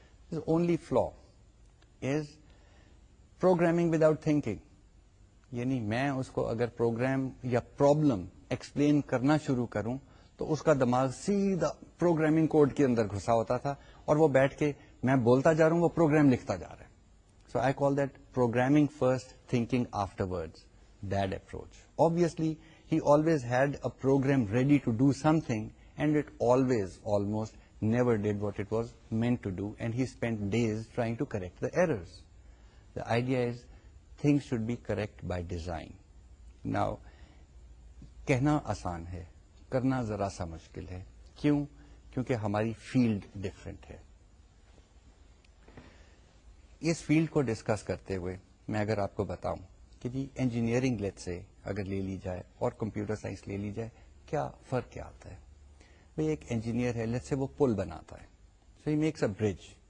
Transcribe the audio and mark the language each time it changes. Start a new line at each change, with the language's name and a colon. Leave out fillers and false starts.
English: His only flaw is programming without thinking.
Urdu: یعنی میں اس کو اگر پروگرام یا پرابلم ایکسپلین کرنا شروع کروں تو اس کا دماغ سیدھا پروگرامنگ کوڈ کے اندر گھسا ہوتا تھا اور وہ بیٹھ کے میں بولتا جا رہا ہوں, وہ پروگرام لکھتا جا رہا ہے.
English: So I call that programming first, thinking afterwards, bad approach. Obviously he always had a program ready to do something and it always almost never did what it was meant to do, and he spent days trying to correct the errors. The idea is things should be correct by design.
Urdu: Now, کہنا آسان ہے, کرنا ذرا سا مشکل ہے. کیوں؟ کیونکہ ہماری فیلڈ ڈفرینٹ ہے. اس فیلڈ کو ڈسکس کرتے ہوئے میں اگر آپ کو بتاؤں کہ جی انجینئرنگ لیٹ سے اگر لے لی جائے اور کمپیوٹر سائنس لے لی جائے, کیا فرق کیا آتا ہے؟ ایک انجینئر ہے, لیٹس سے وہ پل بناتا ہے,
English: So he makes a bridge.